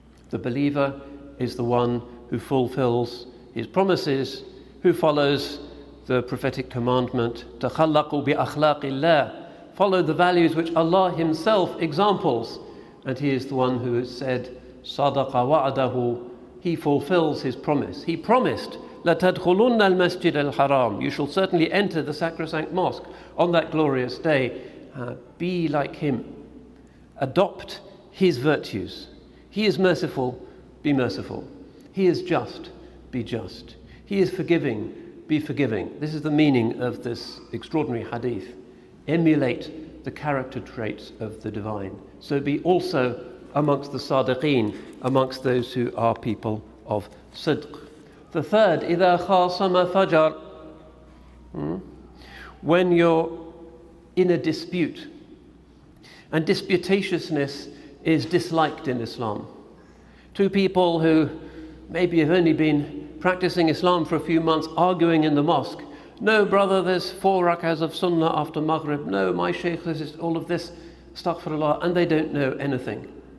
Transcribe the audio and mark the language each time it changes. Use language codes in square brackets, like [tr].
[en] The believer is the one who fulfills his promises, who follows the prophetic commandment, [ar] تَخَلَّقُوا بِأَخْلَاقِ اللَّهِ. [en] Follow the values which Allah himself examples. And he is the one who has said, [ar] صَدَقَ وَعَدَهُ. [en] He fulfills his promise. He promised, [ar] لَتَدْخُلُنَّ الْمَسْجِدَ الْحَرَامِ. [en] You shall certainly enter the sacrosanct mosque on that glorious day. Be like him. Adopt his virtues. He is merciful, be merciful. He is just, be just. He is forgiving, be forgiving. This is the meaning of this extraordinary hadith. Emulate the character traits of the divine. So be also amongst the sadiqeen, amongst those who are people of sidq. The third, [ar] إِذَا خَاصَمَ فَجَرْ. [en] When you're in a dispute, and disputatiousness is disliked in Islam. Two people who maybe have only been practicing Islam for a few months arguing in the mosque. No, brother, there's four rak'ahs of sunnah after maghrib. No, my sheikh, this is all of this, astaghfirullah, and they don't know anything.